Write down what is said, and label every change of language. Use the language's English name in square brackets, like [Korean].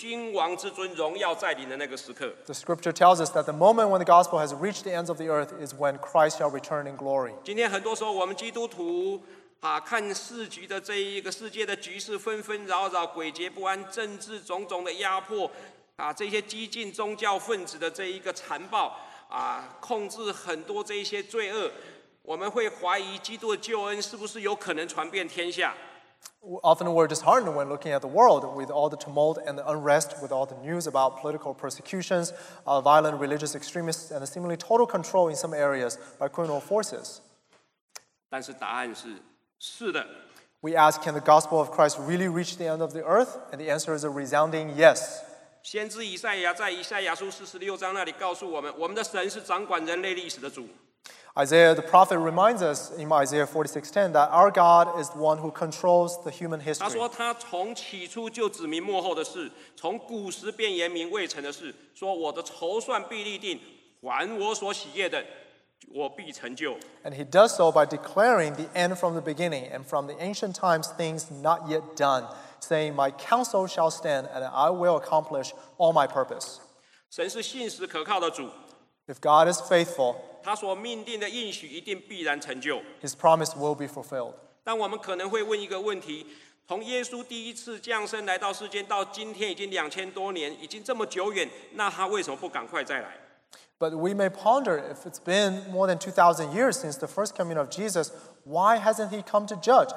[Chinese] 圣经告诉我们，当福音传遍天下那个时刻，就是末日基督以贵君王之尊荣耀再临的那个时刻。 [English] The scripture tells us that the moment when the gospel has reached the ends of the earth is when Christ shall return in glory. [Chinese] 今天很多时候我们基督徒 看世局的这一个世界的局势纷纷扰扰，诡谲不安，政治种种的压迫，这些激进宗教分子的这一个残暴，控制很多这些罪恶，我们会怀疑基督的救恩是不是有可能传遍天下。 [English] Often we're disheartened when looking at the world with all the tumult and the unrest, with all the news about political persecutions, violent religious extremists, and the seemingly total control in some areas by criminal forces. [Chinese] 但是答案是 是的, [English] we ask, can the gospel of Christ really reach the end of the earth? And the answer is a resounding yes. [Chinese] 先知以赛亚在以赛亚书46章那里告诉我们，我们的神是掌管人类历史的主。 [English] Isaiah the prophet reminds us in Isaiah 46:10 that our God is the one who controls the human history. [Chinese] 他说他从起初就指明末后的事，从古时便言明未成的事，说我的筹算必立定，凡我所喜悦的，我必成就。 [English] And he does so by declaring the end from the beginning and from the ancient times things not yet done, saying, My counsel shall stand and I will accomplish all my purpose. [Chinese] 神是信实可靠的主。 [English] If God is faithful, [Chinese] 他所命定的应许一定必然成就。 [English] His promise will be fulfilled. [Chinese] 但我们可能会问一个问题，从耶稣第一次降生来到世间到今天已经2000多年，已经这么久远，那他为什么不赶快再来？ [English] But we may ponder, if it's been more than 2,000 years since the first coming of Jesus, why hasn't he come to judge?